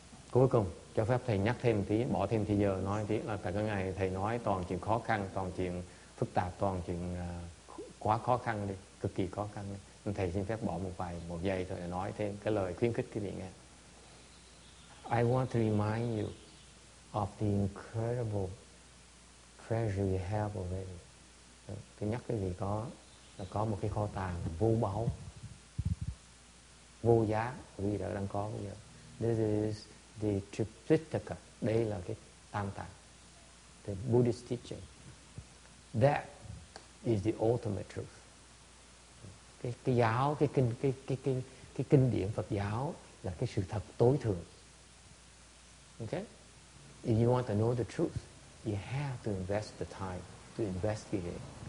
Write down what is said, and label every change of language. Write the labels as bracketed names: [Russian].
[Vietnamese] Cuối cùng, cho phép thầy nhắc thêm một tí, bỏ thêm thời giờ nói một tí là cả cái ngày thầy nói toàn chuyện khó khăn, toàn chuyện phức tạp, toàn chuyện quá khó khăn đi, cực kỳ khó khăn đi. Thầy xin phép bỏ một giây thôi để nói thêm cái lời khuyến khích quý vị nghe. [English] I want to remind you of the incredible treasure you have already. [Vietnamese] Tôi nhắc cái gì có là có một cái kho tàng vô báu, vô giá quý vị đã đang có bây giờ. [English] This is the Tripitaka. [Vietnamese] Đây là cái tam tạng, [English] the Buddhist teaching. That is the ultimate truth. [Vietnamese] Cái kinh điển Phật giáo là cái sự thật tối thượng. [English] Okay? If you want to know the truth, you have to invest the time to investigate.